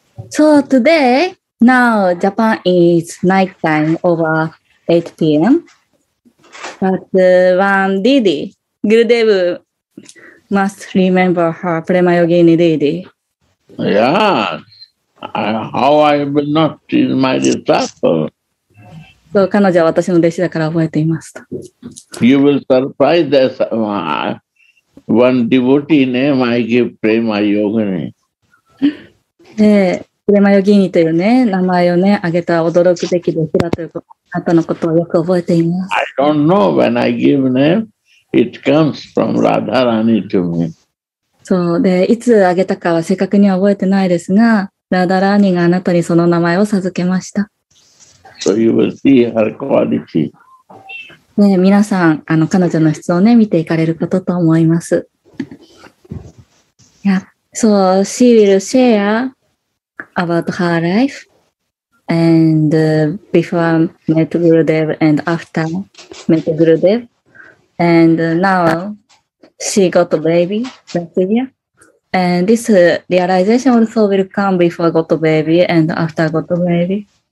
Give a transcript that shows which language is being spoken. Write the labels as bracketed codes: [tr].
[en] So today, now Japan is night time over 8 p.m. But one Didi, Gurudev, must remember her, Prema Yogini Didi. Yeah, how I will not choose my disciple. [ja] So, 彼女は私の弟子だから覚えていました. [en] You will surprise us. One devotee name I give Prema Yogini. [ja] Prema Yogini というね、名前をね、挙げた驚くべき弟子だということ、あなたのことをよく覚えています。 [en] I don't know when I give name, it comes from Radharani to me. [ja] そう、で、いつ挙げたかは正確には覚えてないですが、Radharani があなたにその名前を授けました。 [en] So you will see her quality. [ja] ね、皆さん、彼女の質をね、見ていかれることと思います。いや、そう、 [en] she will share. About her life and before met Gurudev and after met Gurudev, and now she got a baby last year, and this realization also will come before got a baby and after got a baby.